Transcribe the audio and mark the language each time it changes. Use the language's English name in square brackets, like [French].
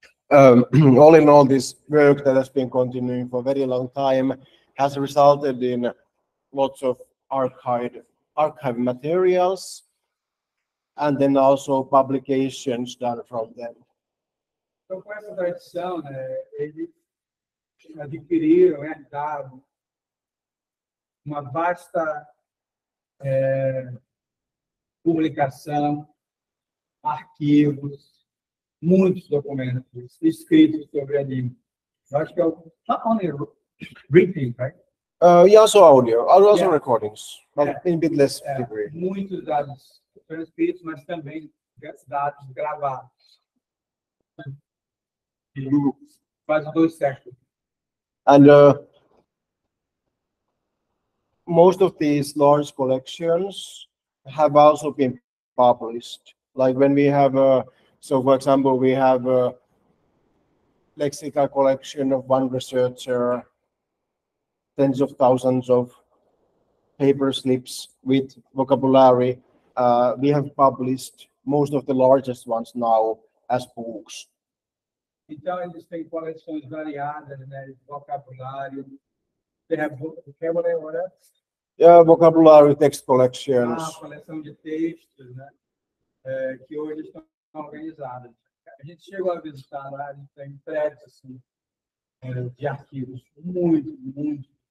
[English] All in all, this work that has been continuing for a very long time has resulted in lots of archive materials and then also publications done from them. [Portuguese] So, com essa tradição, eles adquiriram, dado uma vasta publicação, arquivos, muitos documentos escritos sobre a língua. Eu acho que é [English] not only written, right? Also audio, also yeah. Recordings, but yeah. In a bit less degree. [Portuguese] Muitos dados transcritos, mas também dados gravados. Quase dois séculos. [English] And most of these large collections have also been published, like when we have for example, we have a lexical collection of one researcher, tens of thousands of paper slips with vocabulary. We have published most of the largest ones now, as books. [Portuguese] Então eles têm coleções variadas, né, de vocabulário. [English] They have vocabulary, what else? Yeah, vocabulary, text collections. [Portuguese] Ah, coleção de textos, né, é, que hoje estão organizadas. A gente chegou a visitar lá, a gente tem prédios assim, de arquivos, muito, muito.